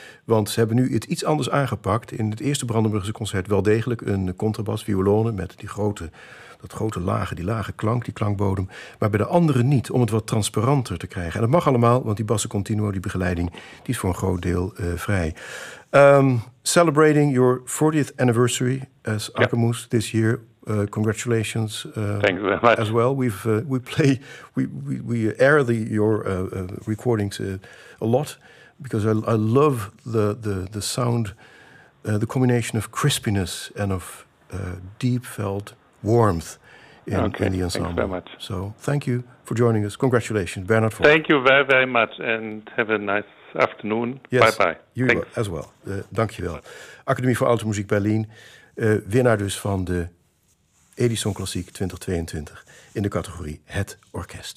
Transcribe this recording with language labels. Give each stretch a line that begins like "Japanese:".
Dutch: Want ze hebben nu het iets anders aangepakt. In het eerste Brandenburgse concert wel degelijk een contrabas, violone, met die grote, dat grote lage, die lage klank, die klankbodem. Maar bij de andere niet, om het wat transparanter te krijgen. En dat mag allemaal, want die basso continuo, die begeleiding, die is voor een groot deel vrij.
English: Celebrating your 40th anniversary as Akkermoes this year. Congratulations. Thanks very much. As well. We air your recordings a lot because I love the sound, the combination of crispiness and of deep felt warmth in the ensemble. Thanks very much. So thank you for joining us. Congratulations, Bernhard Vogt. Thank you very, very much and have a nice afternoon. Yes, bye-bye. You as well.
Dutch: Dank je wel. Academie voor Alte Muziek Berlin, winnaar dus van de Edison Klassiek 2022 in de categorie Het Orkest.